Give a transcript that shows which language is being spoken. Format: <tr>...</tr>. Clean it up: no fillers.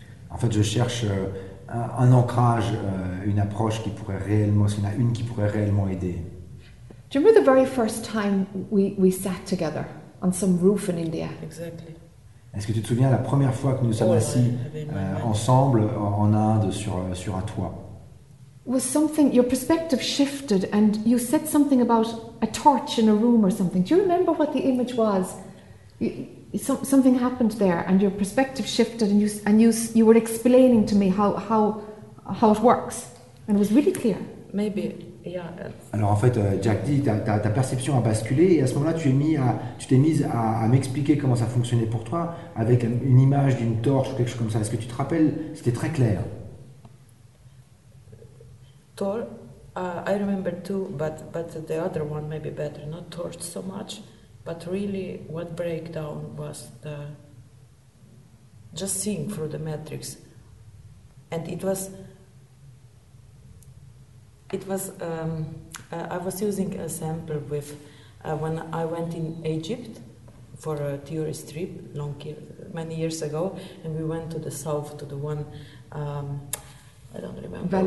<fr>En fait, je cherche un ancrage, une approche qui pourrait réellement, s'il y en a une qui pourrait réellement aider.</fr> <en>Do you remember the very first time we sat together on some roof in India? Exactly.</en> <fr>Est-ce que tu te souviens la première fois que nous sommes assis ensemble en Inde sur un toit?</fr> <en>Was something your perspective shifted, and you said something about a torch in a room or something? Do you remember what the image was? Something happened there, and your perspective shifted, and you were explaining to me how it works, and it was really clear. maybe, yeah.</en> <fr>Alors en fait, Jack dit, ta perception a basculé et à ce moment-là, tu t'es mise à m'expliquer comment ça fonctionnait pour toi avec une image d'une torche ou quelque chose comme ça. Est-ce que tu te rappelles? C'était très clair.</fr> <en>I remember too, but the other one maybe better, not torch so much, but really what breakdown was the just seeing through the matrix. And I was using a sample with when I went in Egypt for a tourist trip many years ago, and we went to the south to the one I don't remember</en>